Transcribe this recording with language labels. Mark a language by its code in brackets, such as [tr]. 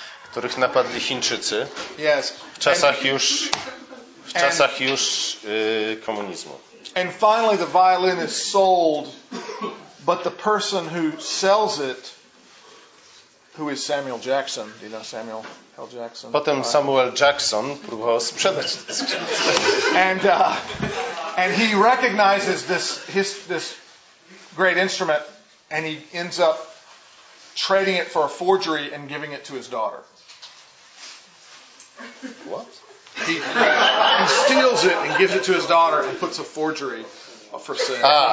[pl] których napadli Chińczycy. [en] Yes. [pl] W czasach już komunizmu. [en] And finally the violin is sold, but the person who sells it, who is Samuel Jackson, do you know Samuel L. Jackson? [pl] Potem Samuel Jackson próbował sprzedać te skrzypce. [en] And he recognizes this great instrument, and he ends up trading it for a forgery and giving it to his daughter. What? He steals it and gives it to his daughter and puts a forgery for sale. Ah.